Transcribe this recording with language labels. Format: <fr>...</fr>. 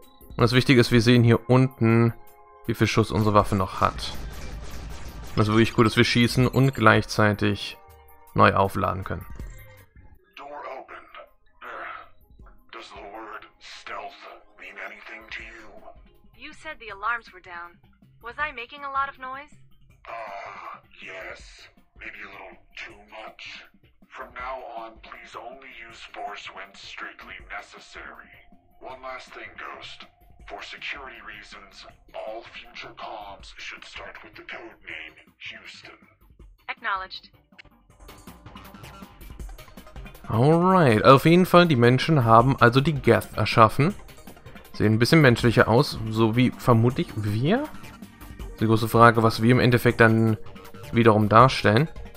<de>Und das Wichtige ist, wir sehen hier unten, wie viel Schuss unsere Waffe noch hat. Und das ist wirklich gut, dass wir schießen und gleichzeitig neu aufladen können.</de> <en>Door opened. Does the word stealth mean anything to you? You said the alarms were down. Was I making a lot of noise? Yes. Maybe a little too much. From now on, please only use force when strictly necessary. One last thing, Ghost. For security reasons, all future comms should start with the code name Houston. Acknowledged.</en> <de>Alright, auf jeden Fall, die Menschen haben also die Geth erschaffen. Sehen ein bisschen menschlicher aus, so wie vermutlich wir. Die große Frage, was wir im Endeffekt dann wiederum darstellen.</de>